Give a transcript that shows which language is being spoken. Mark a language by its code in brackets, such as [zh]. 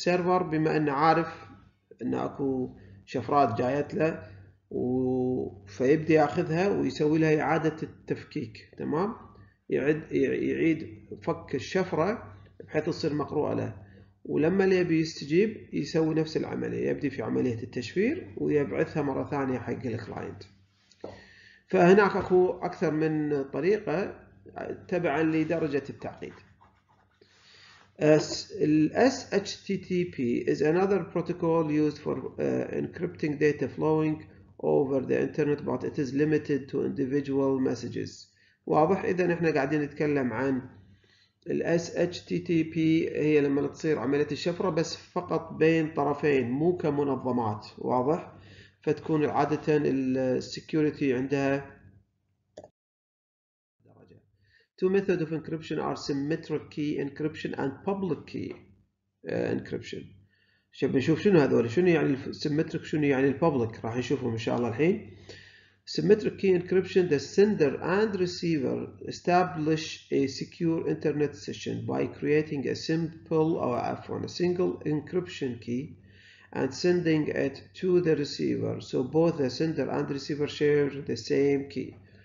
[ar] السيرفر بما انه عارف ان اكو شفرات جايت له، فيبدي ياخذها ويسوي لها اعاده التفكيك، تمام، يعيد فك الشفره بحيث تصير مقروءة له، ولما يبي يستجيب يسوي نفس العملية، يبدي في عملية التشفير ويبعثها مرة ثانية حق الكلاينت. فهناك اكو اكثر من طريقة تبعا لدرجة التعقيد. [en] الـ SHTTP is another protocol used for encrypting data flowing over the internet but it is limited to individual messages. [ar] واضح، اذا احنا قاعدين نتكلم عن الـ SHTTP، هي لما تصير عملية الشفرة بس فقط بين طرفين مو كمنظمات، واضح، فتكون عادة الـ Security عندها درجة. [en] Two methods of encryption are symmetric key encryption and public key encryption. [ar] شوف بنشوف شنو هذول، شنو يعني الـ symmetric، شنو يعني الـ public، راح نشوفهم إن شاء الله الحين. [en] Symmetric key encryption, the sender and receiver establish a secure internet session by creating a simple single encryption key and sending it to the receiver. So both the sender and receiver share the same key.